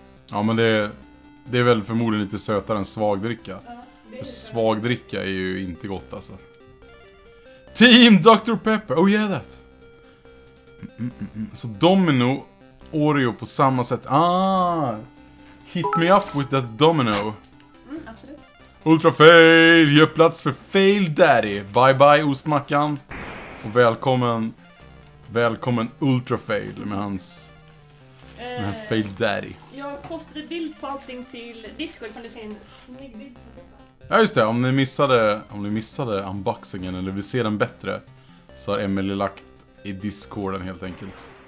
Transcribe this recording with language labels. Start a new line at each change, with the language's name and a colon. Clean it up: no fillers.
Swedish: Ja, men det är väl förmodligen lite sötare än svagdricka. Ja, svagdricka är ju inte gott, alltså.
English: Team Dr. Pepper! Oh yeah, that!
Swedish: Så Domino, Oreo på samma sätt. Ah!
English: Hit me up with that Domino.
Swedish: Mm, absolut.
English: Ultra fail!
Swedish: Gör plats för Fail Daddy! Bye bye, ostmackan! Och välkommen Välkommen Ultrafail med hans... med hans Fail Daddy. Jag postade bild på allting till Discord, kan du se en snygg bild? Ja just det, om ni missade unboxingen eller vill se den bättre så har Emily lagt i Discorden helt enkelt.